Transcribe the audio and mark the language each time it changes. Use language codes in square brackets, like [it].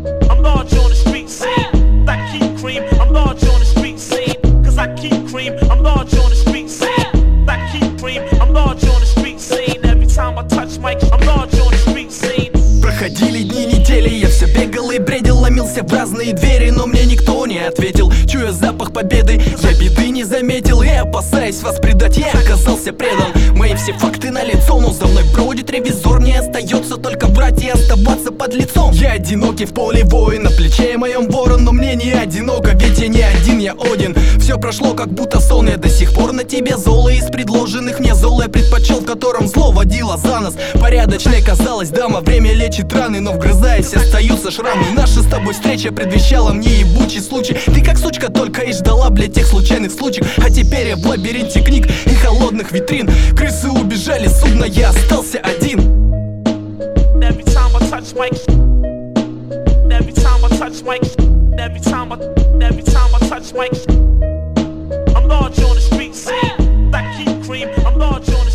[en] I'm large on the street scene. I keep cream, I'm large on the street scene. Cause I keep cream, I'm large on the street scene. I keep cream, I'm large on the street scene. Every time I touch mic, I'm large on the street scene. [ru] Проходили дни, недели, я все бегал и бредил. Ломился в разные двери, но мне никто не ответил. Чуя запах победы, я беды не заметил. И опасаясь вас предать, я оказался предан. Мои все факты налицо, но за мной бродит ревизор. Мне остается только врать и оставаться под лицом. Я одинокий в поле воин, на плече моем ворон. Но мне не одиноко, ведь я не один, я один. Все прошло как будто сон, я до сих пор на тебе зол. И из предложенных мне зол я предпочел, в котором зло водило за нос. Порядочной казалось, дама, время лечит раны. Но вгрызаясь, остаются шрамы. Наша с тобой встреча предвещала мне ебучий случай. Ты как сучка только и ждала, блядь, тех случайных случаев. А теперь я в лабиринте книг и холодных витрин. Крысы убежали, судно, я остался один. [en] Every time I touch mic, every time I touch mic, every time I touch mic, I'm large on the streets, I keep cream, I'm large on the streets.